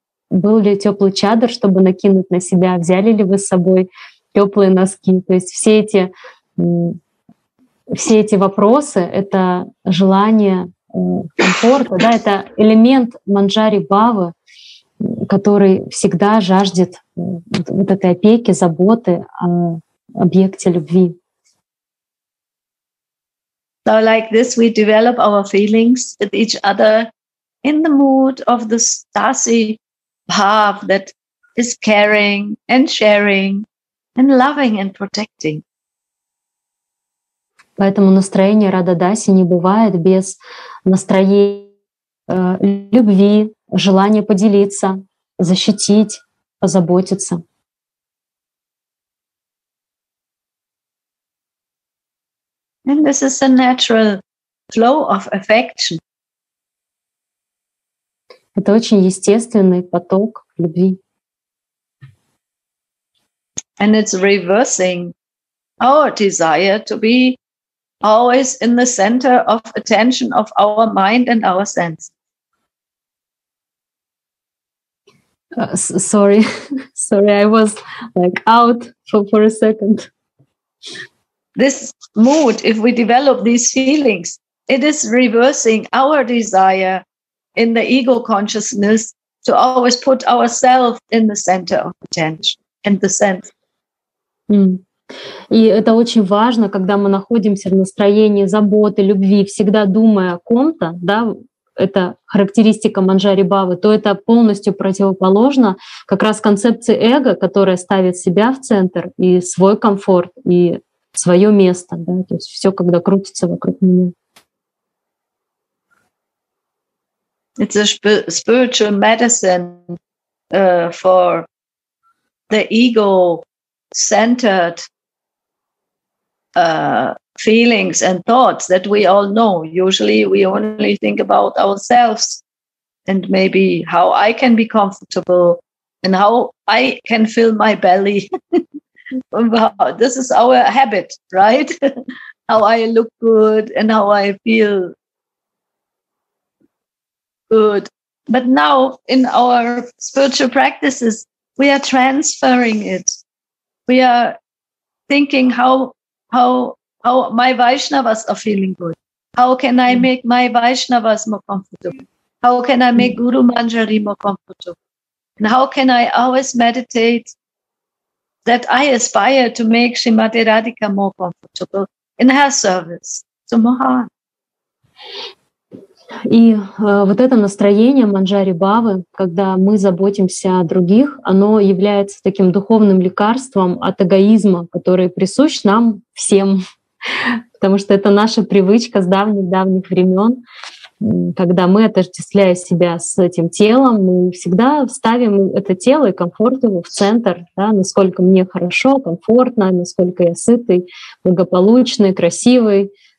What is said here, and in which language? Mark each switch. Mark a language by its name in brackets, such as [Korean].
[Russian] был ли теплый чадр, чтобы накинуть на себя, взяли ли вы с собой теплые носки, то есть все эти вопросы — это желание комфорта, да, это элемент Манджари Бавы, который всегда жаждет вот этой опеки, заботы о объекте любви. [English] So like this we develop our feelings with each other in the mood of the Stasi Bhav that is caring and sharing and loving and protecting. [Russian] Поэтому настроение Рададаси не бывает без настроения любви, желания поделиться, защитить, позаботиться. [English] And this is a natural flow of affection. [Russian] Это очень естественный поток любви. [English] And it's reversing our desire to be always in the center of attention of our mind and our sense. Sorry, I was like out for a second. This mood, if we develop these feelings, it is reversing our desire in the ego consciousness to always put ourselves in the center of attention and the sense. [Russian] И это очень важно, когда мы находимся в настроении заботы, любви, всегда думая о ком-то, да, это характеристика Манджари Бавы, то это полностью противоположно как раз концепции эго, которая ставит себя в центр и свой комфорт, и свое место, да, то есть все, когда крутится вокруг меня. [English] It's a spiritual medicine for the ego-centered feelings and thoughts that we all know. Usually we only think about ourselves and maybe how I can be comfortable and how I can fill my belly. This is our habit, right? How I look good and how I feel good. But now in our spiritual practices, we are transferring it. We are thinking how my Vaishnavas are feeling good. How can I make my Vaishnavas more comfortable? How can I make Guru Manjari more comfortable? And how can I always meditate that I aspire to make Srimati Radhika more comfortable in her service to Mohan? [Russian] И вот это настроение Манджари Бавы, когда мы заботимся о других, оно является таким духовным лекарством от эгоизма, который присущ нам всем, потому что это наша привычка с давних-давних времен, когда мы, отождествляя себя с этим телом, мы всегда ставим это тело и комфорт его в центр, да, насколько мне хорошо, комфортно, насколько я сытый, благополучный, красивый.